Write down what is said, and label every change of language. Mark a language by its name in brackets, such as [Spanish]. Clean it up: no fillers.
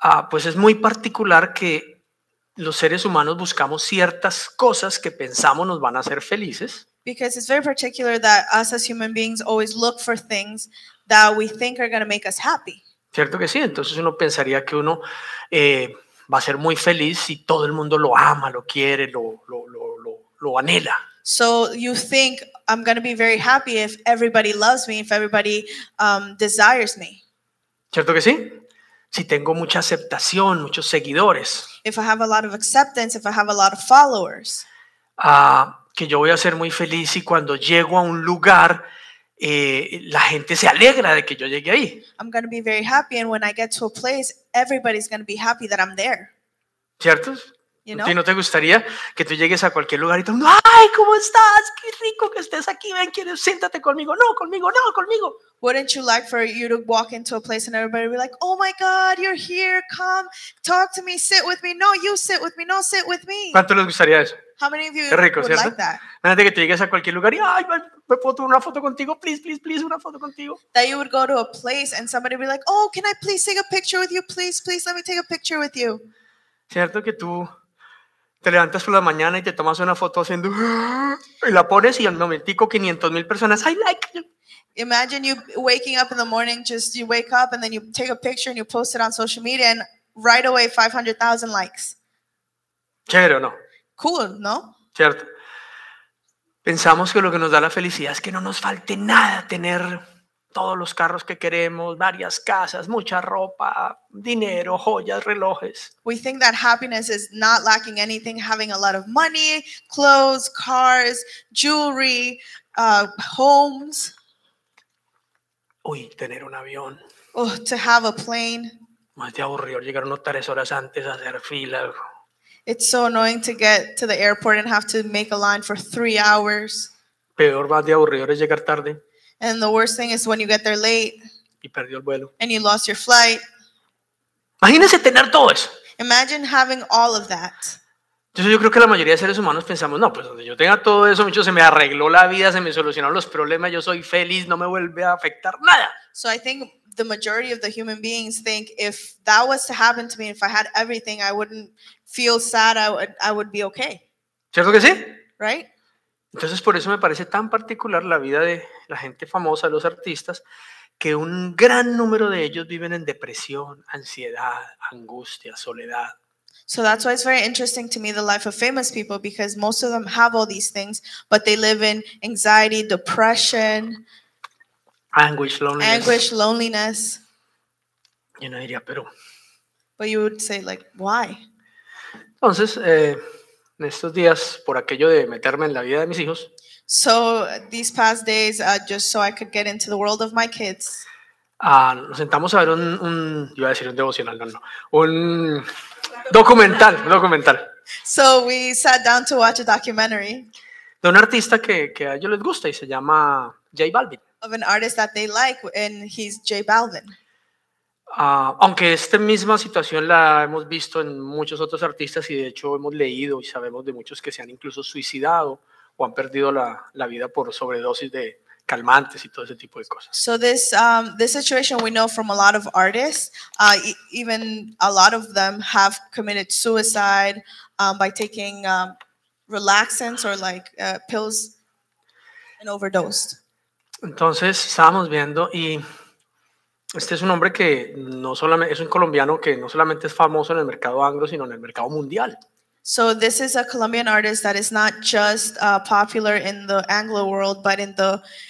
[Spanish] Pues es muy particular que los seres humanos buscamos ciertas cosas que pensamos nos van a hacer felices. [English] Because it's very particular that us as human beings always look for things that we think are going to make us happy. [Spanish] Cierto que sí. Entonces uno pensaría que uno va a ser muy feliz si todo el mundo lo ama, lo quiere, lo anhela. [English] So you think I'm going to be very happy if everybody loves me, if everybody desires me. [Spanish] Cierto que sí. Si tengo mucha aceptación, muchos seguidores. [English] If I have a lot of acceptance, if I have a lot of followers. [Spanish] Que yo voy a ser muy feliz y cuando llego a un lugar, la gente se alegra de que yo llegué ahí. [English] I'm going to be very happy and when I get to a place, everybody's going to be happy that I'm there. [Spanish] ¿Cierto? [English] You know? [Spanish] ¿No te gustaría que tú llegues a cualquier lugar y te digan, ay, ¿cómo estás? Qué rico que estés aquí, ven, quieres, siéntate conmigo. No, conmigo. [English] Wouldn't you like for you to walk into a place and everybody would be like, oh my God, you're here, come, talk to me, sit with me. No, you sit with me, no, sit with me. [Spanish] ¿Cuánto les gustaría eso? [English] How many of you [Spanish] rico, [English] would [Spanish] ¿cierto? [English] Like that? [Spanish] Imagínate que te llegues a cualquier lugar y, ay, ¿me puedo tomar una foto contigo? [English] Please, [Spanish] una foto contigo. [English] That you would go to a place and somebody would be like, oh, can I please take a picture with you? Please, let me take a picture with you. [Spanish] ¿Cierto que tú te levantas por la mañana y te tomas una foto haciendo y la pones y al momentico 500,000 personas, [English] I like you. Imagine you waking up in the morning, just you wake up and then you take a picture and you post it on social media and right away 500,000 likes. [Spanish] Chévere, ¿no? [English] Cool, ¿no? [Spanish] Cierto. Pensamos que lo que nos da la felicidad es que no nos falte nada, tener todos los carros que queremos, varias casas, mucha ropa, dinero, joyas, relojes. [English] We think that happiness is not lacking anything, having a lot of money, clothes, cars, jewelry, homes. [Spanish] Uy, tener un avión. [English] Oh, to have a plane. [Spanish] Más de aburrido llegar unos 3 horas antes a hacer fila. [English] It's so annoying to get to the airport and have to make a line for 3 hours. [Spanish] Peor, más de aburrido es llegar tarde. [English] And the worst thing is when you get there late. [Spanish] Y perdió el vuelo. [English] And you lost your flight. [Spanish] Imagínese tener todo eso. [English] Imagine having all of that. [Spanish] Entonces yo creo que la mayoría de seres humanos pensamos, no, pues donde yo tenga todo eso, mucho se me arregló la vida, se me solucionaron los problemas, yo soy feliz, no me vuelve a afectar nada. [English] So I think the majority of the human beings think if that was to happen to me, if I had everything, I wouldn't feel sad, I would be okay. [Spanish] ¿Cierto que sí? [English] Right? [Spanish] Entonces por eso me parece tan particular la vida de la gente famosa, los artistas, que un gran número de ellos viven en depresión, ansiedad, angustia, soledad. [English] So that's why it's very interesting to me the life of famous people because most of them have all these things, but they live in anxiety, depression, anguish, loneliness. [Spanish] Yo no diría, pero. [English] But you would say like, why? [Spanish] Entonces, en estos días, por aquello de meterme en la vida de mis hijos. [English] So these past days, just so I could get into the world of my kids. [Spanish] Nos sentamos a ver un, iba a decir un devocional, no, un documental. [English] So we sat down to watch a documentary. [Spanish] De un artista que a ellos les gusta y se llama J Balvin. [English] Of an artist that they like and he's J Balvin. [Spanish] Aunque esta misma situación la hemos visto en muchos otros artistas y de hecho hemos leído y sabemos de muchos que se han incluso suicidado o han perdido la vida por sobredosis de calmantes y todo ese tipo de cosas. [English] So this situation we know from a lot of artists, even a lot of them have committed suicide by taking relaxants or like pills and overdosed. [Spanish] Entonces estábamos viendo y este es un hombre que no solamente es un colombiano que no solamente es famoso en el mercado anglo sino en el mercado mundial. [English] So this is a Colombian artist that is not just popular in the Anglo world but in the